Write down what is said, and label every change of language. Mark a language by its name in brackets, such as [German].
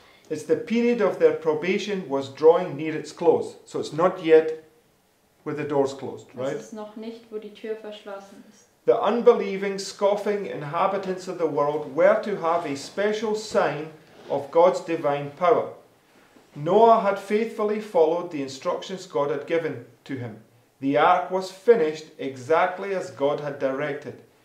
[English] It's the period of their probation was drawing near its close. So it's not yet where the door's closed, right? [German] Es ist noch nicht, wo die Tür verschlossen ist. [English] The unbelieving, scoffing inhabitants of the world were to have a special sign of God's divine power. Noah had faithfully followed the instructions God had given to him. The ark was finished exactly as God had directed.